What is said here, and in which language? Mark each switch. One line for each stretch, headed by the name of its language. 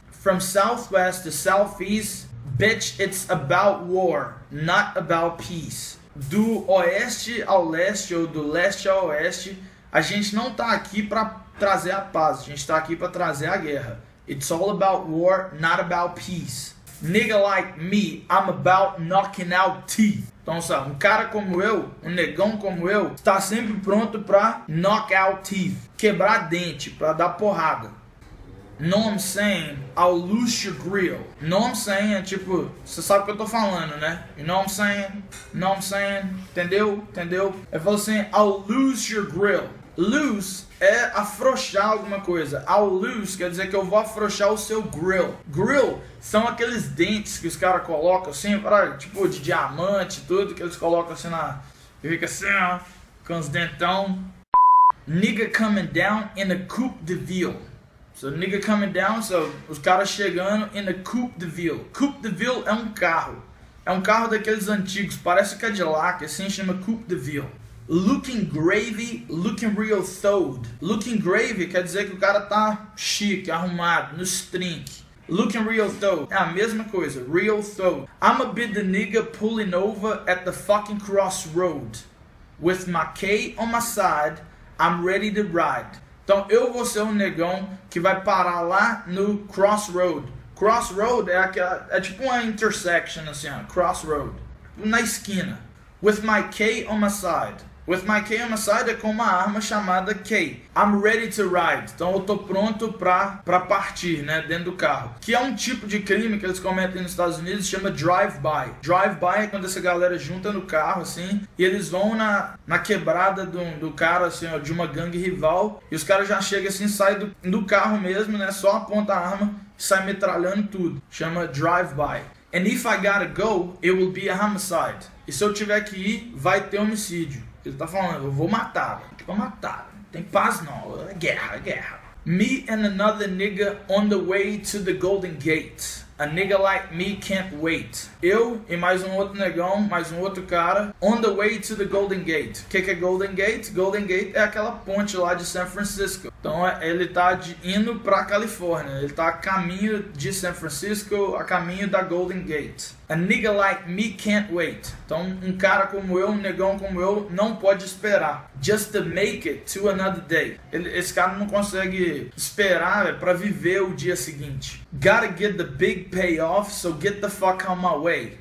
English: From Southwest to Southeast. Bitch, it's about war, not about peace.
Portuguese: Do Oeste ao Leste ou do Leste ao Oeste, a gente não tá aqui pra trazer a paz. A gente tá aqui pra trazer a guerra.
English: It's all about war, not about peace. Nigga like me, I'm about knocking out teeth.
Portuguese: Então, sabe, um cara como eu, um negão como eu, está sempre pronto pra knock out teeth, quebrar dente, pra dar porrada.
English: Know what I'm saying? I'll lose your grill. Know what I'm saying?
Portuguese: É tipo, você sabe o que eu tô falando, né?
English: You know what I'm saying? Know what I'm saying?
Portuguese: Entendeu? Entendeu? Ele falou assim,
English: I'll lose your grill.
Portuguese: Loose é afrouxar alguma coisa.
English: I'll loose
Portuguese: quer dizer que eu vou afrouxar o seu grill. Grill são aqueles dentes que os caras colocam assim, tipo de diamante, tudo que eles colocam assim na... E fica assim, ó, com os dentão.
English: Nigga coming down in a coupe de ville. So, nigga coming down, so,
Portuguese: os caras chegando
English: in a coupe de ville.
Portuguese: Coupe de ville é um carro. É um carro daqueles antigos, parece Cadillac, assim, chama coupe de ville.
English: Looking gravy, looking real thawed.
Portuguese: Looking gravy quer dizer que o cara tá chique, arrumado, no string. Looking real thawed é a mesma coisa, real thawed.
English: I'ma be the nigga pulling over at the fucking crossroad. With my K on my side, I'm ready to ride.
Portuguese: Então eu vou ser um negão que vai parar lá no crossroad. Crossroad é aquela, é tipo uma intersection assim, ó, crossroad, na esquina.
English: With my K on my side. With my K on my side
Portuguese: é com uma arma chamada K.
English: I'm ready to ride.
Portuguese: Então eu tô pronto pra partir, né, dentro do carro. Que é um tipo de crime que eles cometem nos Estados Unidos, chama drive-by. Drive-by é quando essa galera junta no carro, assim, e eles vão na quebrada do cara, assim, ó, de uma gangue rival. E os caras já chegam assim, saem do carro mesmo, né, só aponta a arma, sai metralhando tudo. Chama drive-by.
English: And if I gotta go, it will be a homicide.
Portuguese: E se eu tiver que ir, vai ter homicídio. Ele tá falando, eu vou matar, tipo, matar. Tem paz não, é guerra, é guerra.
English: Me and another nigga on the way to the Golden Gate. A nigga like me can't wait.
Portuguese: Eu e mais um outro negão, mais um outro cara,
English: on the way to the Golden Gate.
Portuguese: O que é Golden Gate? Golden Gate é aquela ponte lá de San Francisco. Então ele tá indo pra Califórnia. Ele tá a caminho de San Francisco, a caminho da Golden Gate.
English: A nigga like me can't wait.
Portuguese: Então um cara como eu, um negão como eu, não pode esperar.
English: Just to make it to another day.
Portuguese: Esse cara não consegue esperar pra viver o dia seguinte.
English: Gotta get the big payoff, so get the fuck out my way.